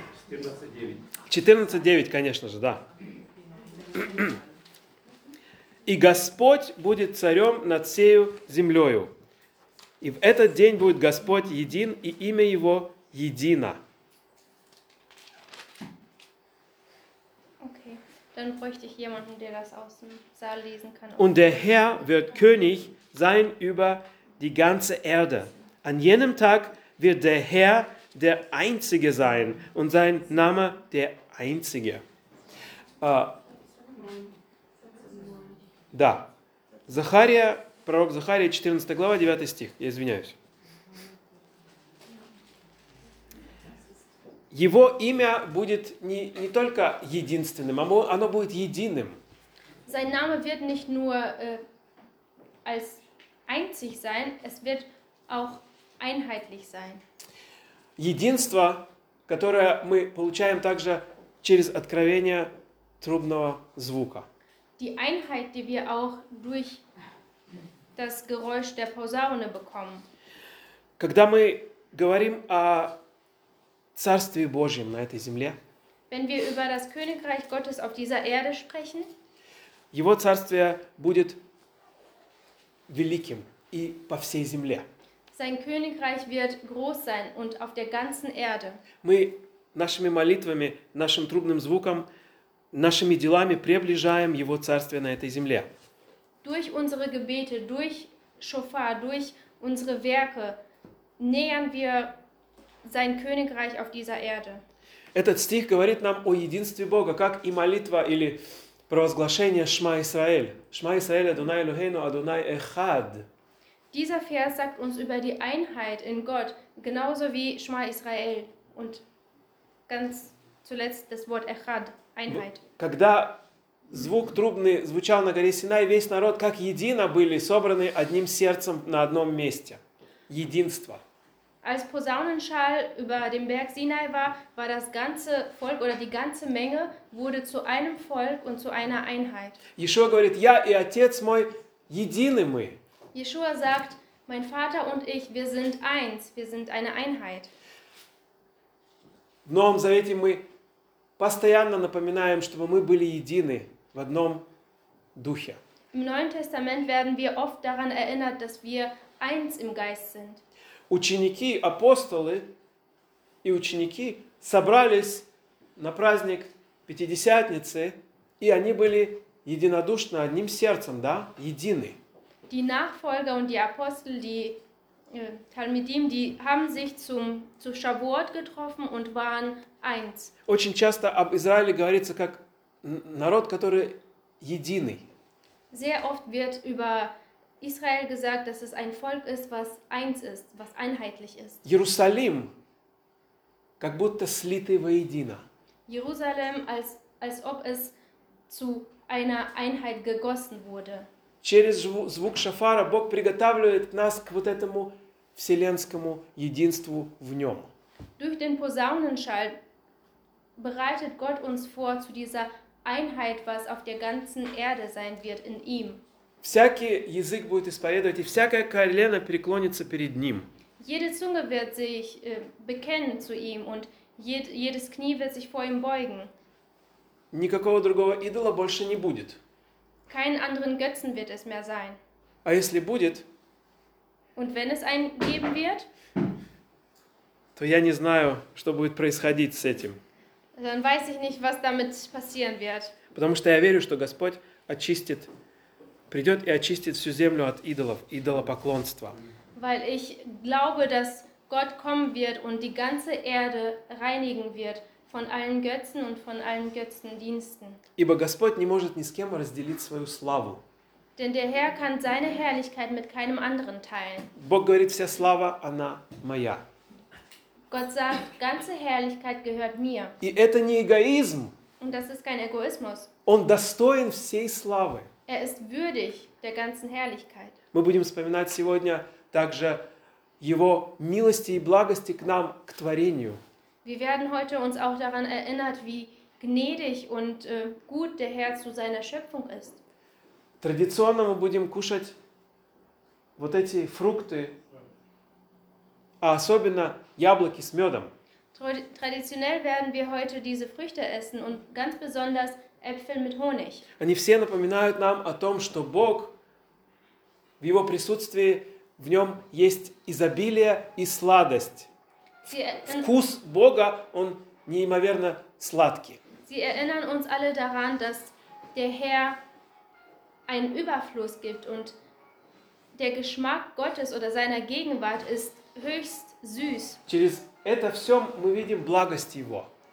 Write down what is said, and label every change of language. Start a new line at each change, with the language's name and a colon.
Russian: 14.9, конечно же, да. «И Господь будет царем над всею землею, и в этот день будет Господь един, и имя Его едино».
German: Dann bräuchte ich jemanden, der das aus dem Saal lesen kann. Und der Herr wird König sein über die ganze Erde. An jenem Tag wird der Herr der Einzige sein und sein Name der Einzige.
Russian: Да. Захария, пророк Захария, 14 глава, 9 стих. Я извиняюсь. Его имя будет не только единственным, оно будет единым.
German: Sein Name wird nicht nur als einzig sein, es wird auch einheitlich sein.
Russian: Единство, которое мы получаем также через откровение трубного звука.
German: Die Einheit, die wir auch durch das Geräusch der Posaune bekommen.
Russian: Когда мы говорим о Царстве Божьем на этой земле,
German: wenn wir über das Königreich Gottes auf dieser Erde sprechen,
Russian: его Царствие будет великим и по всей земле.
German: Sein Königreich wird groß sein und auf der ganzen Erde.
Russian: Мы нашими молитвами, нашим трубным звуком, нашими делами приближаем Его Царствие на этой земле.
German: Durch unsere Gebete, durch Schofar, durch unsere Werke nähern wir sein Königreich auf dieser Erde.
Russian: Этот стих говорит нам о единстве Бога, как и молитва или провозглашение Шма Исраэль.
Hebrew: Шма Исраэль, Адонай Элохейну, Адонай Эхад.
German: Dieser Vers sagt uns über die Einheit in Gott, genauso wie Schma Israel und ganz zuletzt das Wort Echad, Einheit.
Russian: Когда звук трубный звучал на горе Синай, весь народ как едино были собраны одним сердцем на одном месте. Единство.
German: Als Posaunenschall über dem Berg Sinai war, war das ganze Volk oder die ganze Menge wurde zu einem Volk und zu einer Einheit.
Russian: Yeshua говорит: "Я и отец мой едины мы".
German: Yeshua sagt: "Mein Vater und ich, wir sind eins, wir sind eine Einheit".
Russian: В Новом Завете мы постоянно напоминаем, чтобы мы были едины в одном духе.
German: Im Neuen Testament werden wir oft daran erinnert, dass wir eins im Geist sind.
Russian: Ученики, апостолы и ученики собрались на праздник Пятидесятницы, и они были единодушны одним сердцем, да, едины.
German: Die Nachfolger und die Apostel, die Talmidim, die haben sich zu Shavuot getroffen und waren eins.
Russian: Очень часто об Израиле говорится как народ, который единый.
German: Sehr oft wird über Israel gesagt, dass es ein Volk ist, was eins ist, was einheitlich ist.
Russian: Иерусалим, как будто слитый воедино.
German: Jerusalem, als ob es zu einer Einheit gegossen wurde.
Russian: Через звук шафара Бог приготавливает нас к вот этому вселенскому единству в нем.
German: Durch den Posaunenschall bereitet Gott uns vor zu dieser Einheit, was auf der ganzen Erde sein wird in ihm.
Russian: Всякий язык будет исповедовать, и всякое колено преклонится перед ним.
German: Jede Zunge wird sich bekennen zu ihm und jedes Knie wird sich vor ihm beugen.
Russian: Никакого другого идола больше не будет.
German: Keinen anderen Götzen wird es mehr sein.
Russian: А если будет?
German: Und wenn es einen geben wird?
Russian: То я не знаю, что будет происходить с этим.
German: Dann weiß ich nicht, was damit passieren wird.
Russian: Потому что я верю, что Господь очистит, придет и очистит всю землю от идолов, идолопоклонства.
German: Weil ich glaube, dass Gott kommen wird und die ganze Erde reinigen wird von allen Götzen und von allen Götzendiensten.
Russian: Ибо Господь не может ни с кем разделить свою славу.
German: Denn der Herr kann seine Herrlichkeit mit keinem anderen teilen.
Russian: Бог говорит: "Вся слава она моя".
German: Gott sagt, ganze Herrlichkeit gehört mir.
Russian: И это не эгоизм.
German: Und das ist kein Egoismus.
Russian: Он достоин всей славы.
German: Er ist würdig der ganzen Herrlichkeit.
Russian: Мы будем вспоминать сегодня также его милости и благости к нам, к творению.
German: Wir werden heute uns auch daran erinnert, wie gnädig und gut der Herr zu seiner Schöpfung ist.
Russian: Традиционно мы будем кушать вот эти фрукты, а особенно яблоки с медом.
German: Traditionell werden wir heute diese Früchte essen und ganz besonders Äpfel mit Honig.
Russian: Они все напоминают нам о том, что Бог в его присутствии, в нем есть изобилие и сладость. Вкус Бога, он неимоверно сладкий.
German: Sie erinnern uns alle daran, dass der Herr einen Überfluss gibt und der Geschmack Gottes oder seiner Gegenwart ist höchst süß.
Russian: Через это все мы видим благость Его.